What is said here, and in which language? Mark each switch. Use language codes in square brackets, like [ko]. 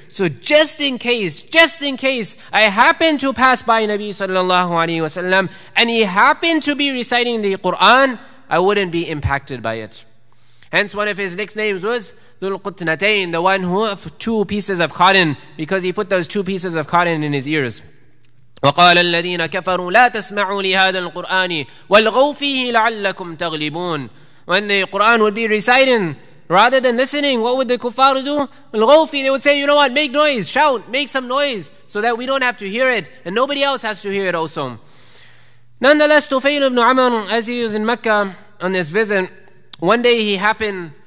[en] So just in case, I happened to pass by Nabi sallallahu alayhi wa sallam, and he happened to be reciting the Quran, I wouldn't be impacted by it. Hence, one of his nicknames was Dhul Qutnatain, the one who had two pieces of cotton, because he put those two pieces of cotton in his ears. [ar] وقال الذين كفروا لا تسمعوا لهذا القرآن والغوا فيه لعلكم تغلبون. [en] When the Quran would be reciting, rather than listening, what would the kuffar do? الغوفي, they would say, you know what, make noise, shout, make some noise, so that we don't have to hear it, and nobody else has to hear it also. Nonetheless, Tufayl ibn Amr, as he was in Mecca on this visit, one day he happened